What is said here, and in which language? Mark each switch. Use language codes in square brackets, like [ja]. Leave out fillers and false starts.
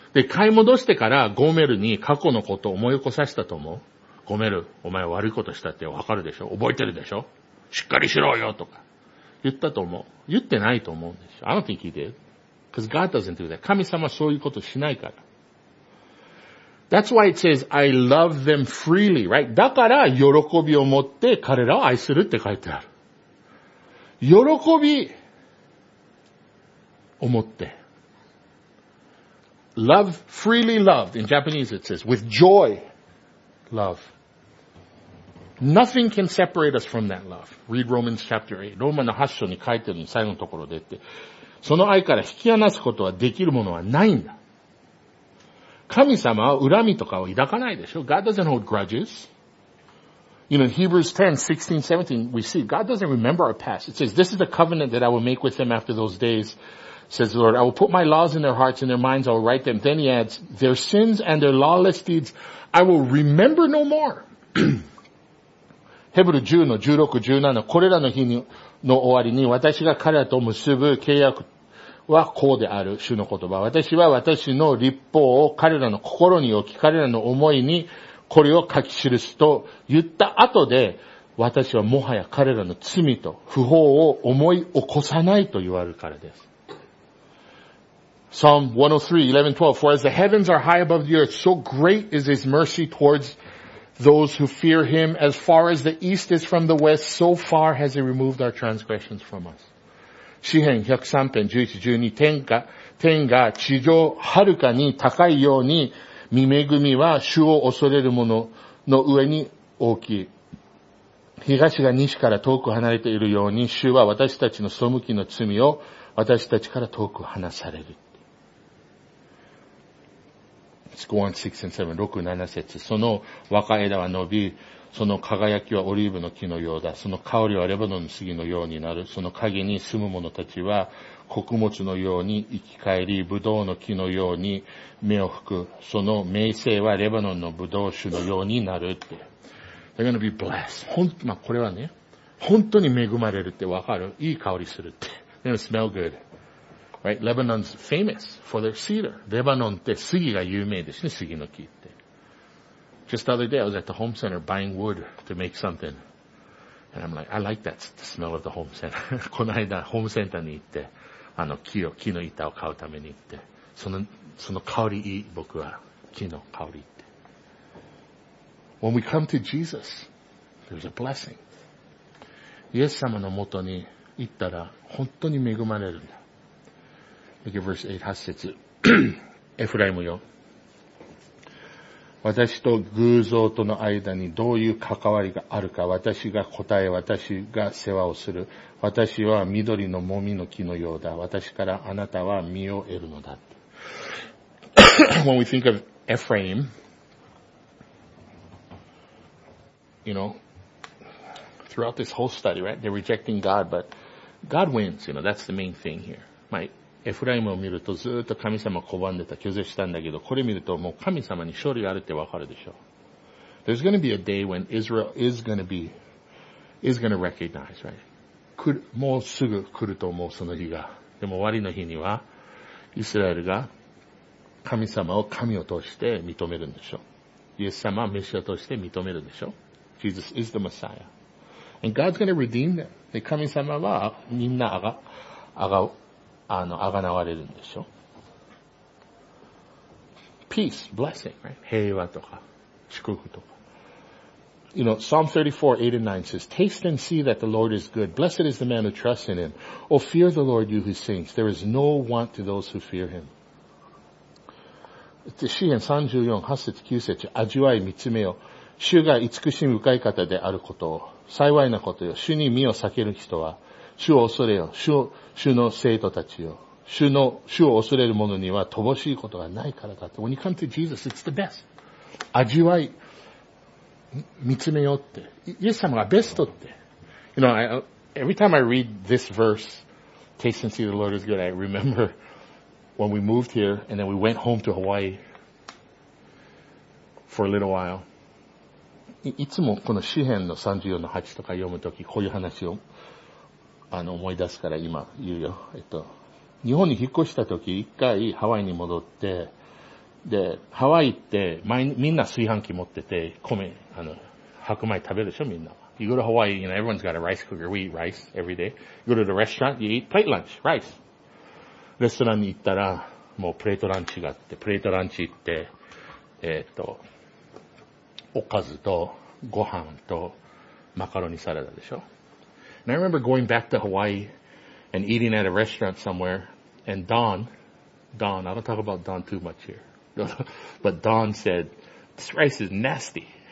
[ja] で、買い戻してからゴメルに過去のことを思い起こさせたと思う。ゴメル、お前悪いことしたってわかるでしょ?覚えてるでしょ? しっかりしろよとか言ったと思う。言ってないと思うんでしょ。 [en] I don't think he did. Because God doesn't do that. [ja] 神様はそういうことしないから。 [en] That's why it says, I love them freely, right? [ja] だから、喜びを持って彼らを愛するって書いてある。喜びを持って。 [en] Love, freely loved. In Japanese it says, with joy, love. Nothing can separate us from that love. Read Romans chapter 8. [ja] ローマの8章に書いてる最後のところでって、その愛から引き離すことはできるものはないんだ。神様は恨みとかを抱かないでしょ? [en] God doesn't hold grudges. You know, Hebrews 10, 16, 17, we see God doesn't remember our past. It says, this is the covenant that I will make with them after those days, says the Lord. I will put my laws in their hearts and their minds. I will write them. Then he adds, their sins and their lawless deeds, I will remember no more. [ja] ヘブル10の16、17のこれらの日にの終わりに私が彼らと結ぶ契約はこうである主の言葉。私は私の律法を彼らの心に置き、彼らの思いにこれを書き記すと言った後で、私はもはや彼らの罪と不法を思い起こさないと言われるからです。 [en] Psalm 103, 11, 12. For as the heavens are high above the earth, so great is his mercy towards those who fear him. As far as the east is from the west, so far has he removed our transgressions from us. [ja] 詩編103編11、12、天が地上遥かに高いように、御恵みは主を恐れる者の上に大きい。東が西から遠く離れているように、主は私たちの背きの罪を私たちから遠く離される。 [en] Let's go on 6 and 7, [ja] 6、7節。その若枝は伸び、その輝きはオリーブの木のようだ。その香りはレバノンの杉のようになる。その陰に住む者たちは穀物のように生き返り、ブドウの木のように芽を吹く。その名声はレバノンのブドウ種のようになるって。 [en] They're gonna be blessed. [ja] 本当、まあ、これはね、本当に恵まれるってわかる。いい香りするって。 [en] They're gonna smell good. Right? Lebanon's famous for their cedar. [ja] レバノンって杉が有名ですね、杉の木って。 [en] Just the other day, I was at the home center buying wood to make something. And I'm like, I like that, the smell of the home center. [ja] この間、ホームセンターに行って、木の板を買うために行って、その香りいい、僕は、木の香りって。 [en] When we come to Jesus, there's a blessing. [ja] イエス様のもとに行ったら本当に恵まれるんだ。 [en] verse 8, [ja] 8節エフライムよ、私と偶像との間にどういう関わりがあるか、私が答え、私が世話をする、私は緑のもみの木のようだ、私からあなたは実を得るのだ。 [en] When we think of Ephraim, you know, throughout this whole study, right, they're rejecting God, but God wins, you know, that's the main thing here. [ja] My, Ephraim を見るとずっと神様拒んでた、拒絶したんだけど、これ見るともう神様に勝利があるってわかるでしょ。 [en] There's gonna be a day when Israel is gonna recognize, right? [ja] もうすぐ来ると思う、その日が。でも終わりの日には、イスラエルが、神様を神を通して認めるんでしょう。イエス様はメシアとして認めるんでしょう。 [en] Jesus is the Messiah. And God's gonna redeem them. [ja] で、神様はみんなあがなわれるんでしょう。 [en] Peace, blessing, right? [ja] 平和とか、祝福とか。 [en] You know, Psalm 34, 8 and 9 says, taste and see that the Lord is good. Blessed is the man who trusts in him. Oh, fear the Lord, you his saints. There is no want to those who fear him. [ja] 詩篇34、8節、9節、味わい、見つめよ。主が慈しみ深い方であることを。幸いなことよ。主に身を避ける人は、主を恐れよ。主の生徒たちよ。主を恐れる者には乏しいことがないからだと。 [en] When you come to Jesus, it's the best. [ja] 味わい、見つめよって。イエス様がベストって。 [en] You know, every time I read this verse, taste and see the Lord is good, I remember. When we moved here and then we went home to Hawaii for a little while. [ja] いつもこの詩篇の34の8とか読むとき、こういう話を思い出すから今言うよ。日本に引っ越したとき、一回ハワイに戻って、で、ハワイってみんな炊飯器持ってて、米、白米食べるでしょ、みんな。 [en] You go to Hawaii, you know, everyone's got a rice cooker. We eat rice every day. You go to the restaurant, you eat plate lunch, rice. [ja] レストランに行ったら、もうプレートランチがあって、プレートランチ行って、おかずとご飯とマカロニサラダでしょ。 [en] And I remember going back to Hawaii and eating at a restaurant somewhere, and Don, I don't talk about Don too much here, but Don said, this rice is nasty.